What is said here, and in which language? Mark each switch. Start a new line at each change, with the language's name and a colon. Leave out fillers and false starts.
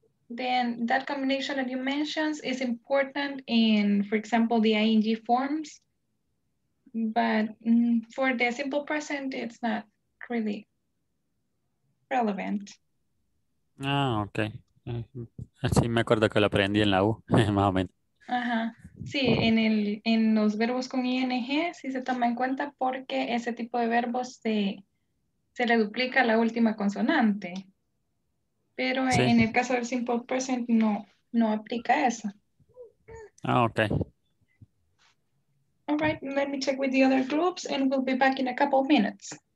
English: Then that combination that you mentioned is important in, for example, the ING forms, but for the simple present, it's not really relevant. Ah, okay.
Spanish: Sí, me acuerdo que lo aprendí en la U, más o menos. Ajá. Sí, en los verbos con ING sí se toma en cuenta porque ese tipo de verbos se le duplica la última consonante. Pero sí. En el caso del simple present no aplica eso. Ah, okay.
English: All right, let me check with the other groups and we'll be back in a couple of minutes.